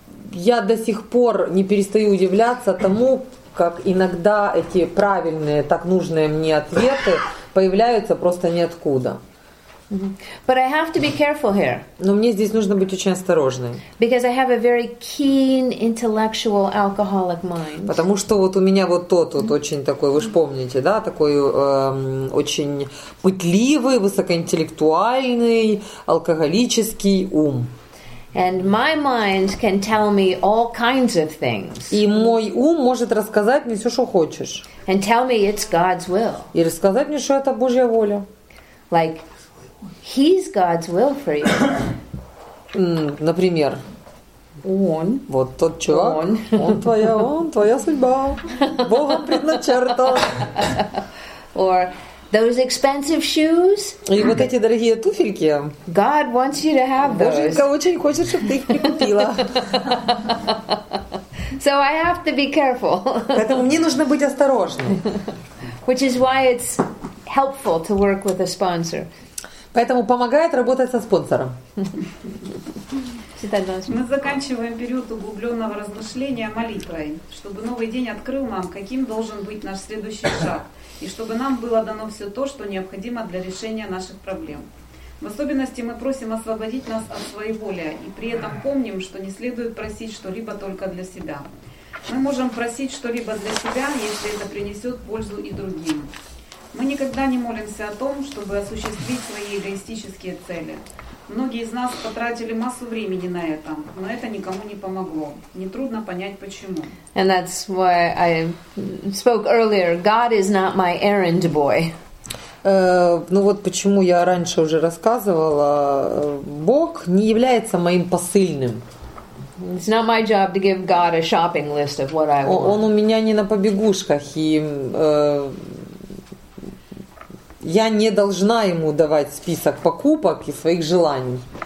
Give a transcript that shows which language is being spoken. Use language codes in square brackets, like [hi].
[ru] Я до сих пор не перестаю удивляться тому, как иногда эти правильные, так нужные мне ответы появляются просто ниоткуда. [en] But I have to be careful here. [ru] Но мне здесь нужно быть очень осторожной. [en] Because I have a very keen intellectual alcoholic mind. [ru] Потому что вот у меня вот тот вот очень такой, вы же помните, да, такой очень пытливый, высокоинтеллектуальный, алкоголический ум. [en] And my mind can tell me all kinds of things. [ru] И мой ум может рассказать мне все, что хочешь. [en] And tell me it's God's will. [ru] И рассказать мне, что это Божья воля. [en] Like He's God's will for you. [ru] Например. Он. Вот тот чувак. Он твоя судьба. Богом предначертан. [en] Or those expensive shoes. [ru] И вот эти дорогие туфельки. [en] God wants you to have those. [ru] Боженька очень хочет, чтобы ты их прикупила. [en] So I have to be careful. [ru] Поэтому мне нужно быть осторожной. [en] Which is why it's helpful to work with a sponsor. [ru] Поэтому помогает работать со спонсором. Мы заканчиваем период углубленного размышления молитвой, чтобы новый день открыл нам, каким должен быть наш следующий шаг, и чтобы нам было дано все то, что необходимо для решения наших проблем. В особенности мы просим освободить нас от своеволия, и при этом помним, что не следует просить что-либо только для себя. Мы можем просить что-либо для себя, если это принесет пользу и другим. Мы никогда не молимся о том, чтобы осуществить свои эгоистические цели. Многие из нас потратили массу времени на это, но это никому не помогло. Нетрудно понять, почему. [en] And that's why I spoke earlier. God is not my errand boy. [ru] Ну вот почему я раньше уже рассказывала. Бог не является моим посыльным. [en] It's not my job to give God a shopping list of what I want. [ru] Он у меня не на побегушках, и... Я не должна ему давать список покупок и своих желаний.